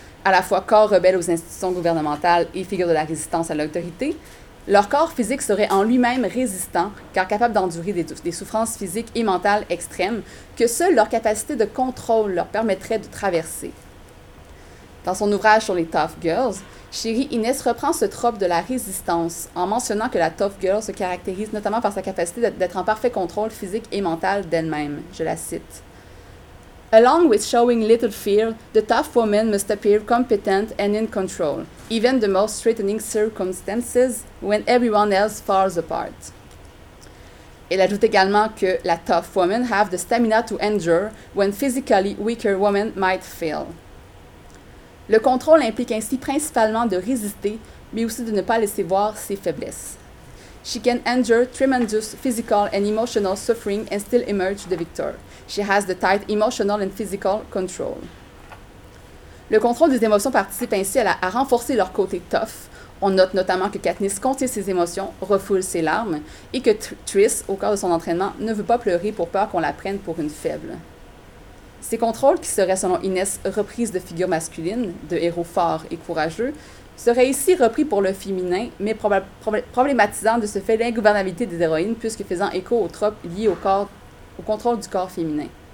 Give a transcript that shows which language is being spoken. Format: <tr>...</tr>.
<fr>À la fois corps rebelle aux institutions gouvernementales et figure de la résistance à l'autorité, leur corps physique serait en lui-même résistant, car capable d'endurer des souffrances physiques et mentales extrêmes que seule leur capacité de contrôle leur permettrait de traverser. Dans son ouvrage sur les Tough Girls, Sherry Innes reprend ce trope de la résistance en mentionnant que la Tough Girl se caractérise notamment par sa capacité d'être en parfait contrôle physique et mental d'elle-même. Je la cite.</fr> <en>Along with showing little fear, the tough woman must appear competent and in control, even the most threatening circumstances when everyone else falls apart.</en> <fr>Elle ajoute également que la tough woman</fr> <en>have the stamina to endure when physically weaker women might fail.</en> <fr>Le contrôle implique ainsi principalement de résister, mais aussi de ne pas laisser voir ses faiblesses.</fr> <en>She can endure tremendous physical and emotional suffering and still emerge the victor. She has the tight emotional and physical control.</en> <fr>Le contrôle des émotions participe ainsi à renforcer leur côté tough. On note notamment que Katniss contient ses émotions, refoule ses larmes, et que Triss, au cours de son entraînement, ne veut pas pleurer pour peur qu'on la prenne pour une faible. Ces contrôles, qui seraient selon Inès reprises de figures masculines, de héros forts et courageux, seraient ici repris pour le féminin, mais problématisant de ce fait l'ingouvernabilité des héroïnes, puisque faisant écho aux tropes liées au contrôle du corps féminin.</fr>